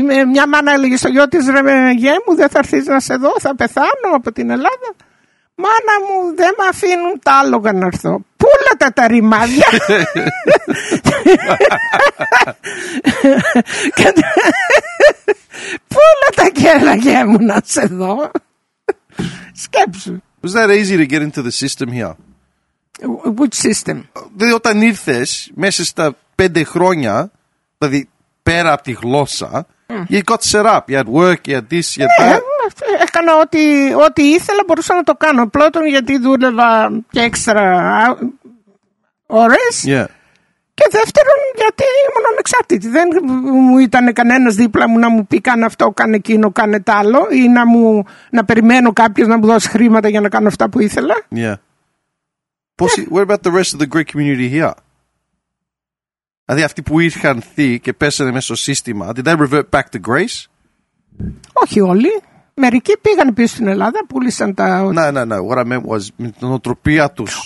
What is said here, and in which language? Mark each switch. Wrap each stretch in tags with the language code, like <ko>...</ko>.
<el>Μια μάνα έλεγε στο γιο της, ρε γιέ μου, δεν θα έρθεις να σε δω, θα πεθάνω από την Ελλάδα. Μάνα μου, δεν με αφήνουν τα άλογα να έρθω. Πούλα τα ρημάδια. Πούλα τα κέλα για μου να σε δω. Σκέψου.</el> <en>Was that easy to get into the system here? Which system?</en> <el>Δηλαδή όταν ήρθες, μέσα στα 5 χρόνια, δηλαδή πέρα από τη γλώσσα,</el> <en>you got set up, you had work, you had this, you had that.</en> <el>Έκανα ό,τι ήθελα, μπορούσα να το κάνω. Πλώτον γιατί δούλευα και έξτρα ώρες.</el> <en>Yeah.</en> <el>Και δεύτερον, γιατί ήμουν ανεξάρτητη. Δεν μου ήταν κανένας δίπλα μου να μου πει κάνε αυτό, κάνε εκείνο, κάνε τ' άλλο, ή να περιμένω κάποιος να μου δώσει χρήματα για να κάνω αυτά που ήθελα.</el> <en>Yeah. What about the rest of the Greek community here?</en> <el>Δηλαδή αυτοί που είχαν θεί και πέσανε μέσα στο σύστημα,</el> <en>did they revert back to Greece?</en> <el>Όχι όλοι. Μερικοί πήγαν πίσω στην Ελλάδα, πούλησαν τα...</el> <en>No. What I meant was,</en> <el>με την νοοτροπία τους.</el>